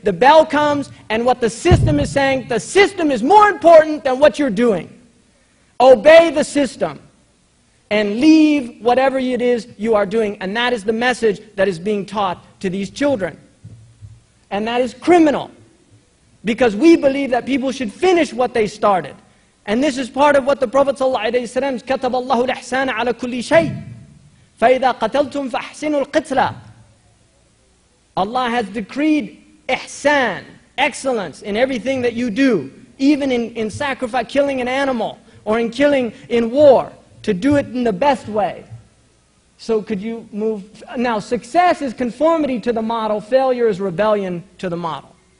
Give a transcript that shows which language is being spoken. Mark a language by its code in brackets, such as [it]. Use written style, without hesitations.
[en] The bell comes, and what the system is saying, the system is more important than what you're doing. Obey the system. And leave whatever it is you are doing. And that is the message that is being taught to these children. And that is criminal. Because we believe that people should finish what they started. And this is part of what the Prophet [ar] ﷺ كتب الله الإحسان على كل شيء فإذا قتلتم فأحسنوا القتلة. [en] Allah has decreed ihsan, excellence in everything that you do, even in sacrifice, killing an animal, or in killing in war, to do it in the best way. So could you move? Now, success is conformity to the model, failure is rebellion to the model.